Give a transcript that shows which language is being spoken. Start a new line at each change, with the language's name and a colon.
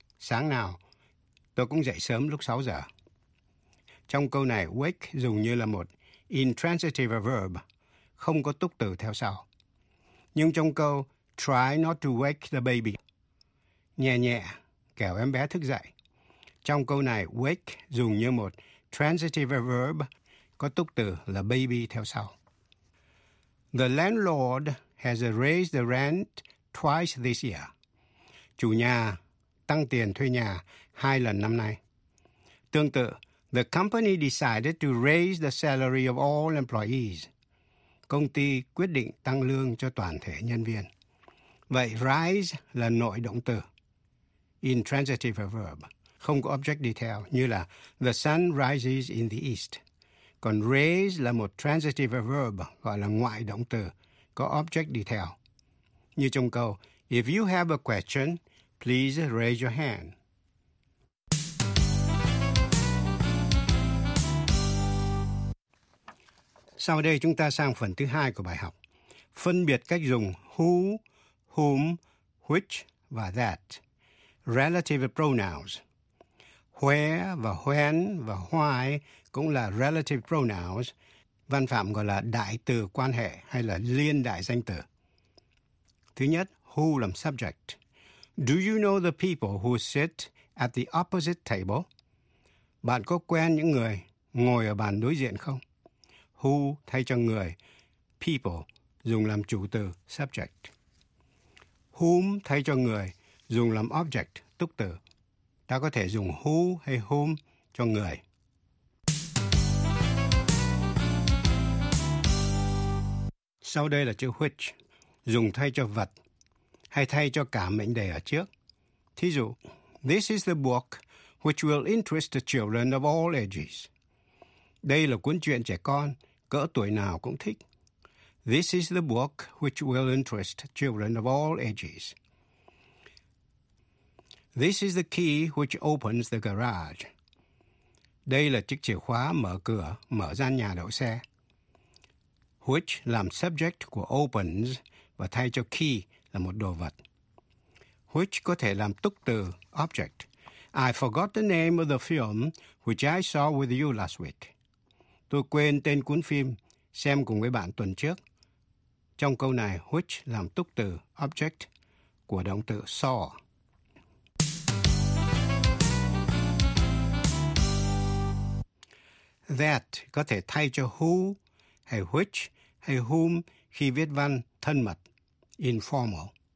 Vietnamese: Sáng nào, tôi cũng dậy sớm lúc 6 giờ. Trong câu này, wake dùng như là một intransitive verb, không có túc từ theo sau. Nhưng trong câu,
English: try not to wake the baby,
Vietnamese: nhẹ nhẹ, kẻo em bé thức dậy. Trong câu này, wake dùng như một transitive verb, có túc từ là baby theo sau.
English: The landlord has raised the rent twice this year.
Vietnamese: Chủ nhà tăng tiền thuê nhà hai lần năm nay. Tương tự,
English: the company decided to raise the salary of all employees.
Vietnamese: Công ty quyết định tăng lương cho toàn thể nhân viên. Vậy, rise là nội động từ, intransitive verb, không có object đi theo, như là
English: the sun rises in the east.
Vietnamese: Còn raise là một transitive verb, gọi là ngoại động từ, có object đi theo. Như trong câu,
English: if you have a question, please raise your hand.
Vietnamese: Sau đây chúng ta sang phần thứ hai của bài học. Phân biệt cách dùng who, whom, which và that. Relative pronouns. Where và when và why cũng là relative pronouns, văn phạm gọi là đại từ quan hệ hay là liên đại danh từ. Thứ nhất, who làm subject.
English: Do you know the people who sit at the opposite table?
Vietnamese: Bạn có quen những người ngồi ở bàn đối diện không? Who thay cho người, people, dùng làm chủ từ, subject. Whom thay cho người, dùng làm object, túc từ. Ta có thể dùng who hay whom cho người. Sau đây là chữ which, dùng thay cho vật, hay thay cho cả mệnh đề ở trước. Thí dụ,
English: this is the book which will interest the children of all ages.
Vietnamese: Đây là cuốn truyện trẻ con, cỡ tuổi nào cũng thích.
English: This is the book which will interest children of all ages. This is the key which opens the garage.
Vietnamese: Đây là chiếc chìa khóa mở cửa, mở gian nhà đậu xe. Which làm subject của opens và thay cho key là một đồ vật. Which có thể làm túc từ, object.
English: I forgot the name of the film which I saw with you last week.
Vietnamese: Tôi quên tên cuốn phim xem cùng với bạn tuần trước. Trong câu này, which làm túc từ, object của động từ saw. That có thể thay cho who, hay which, hay whom khi viết văn thân mật, informal.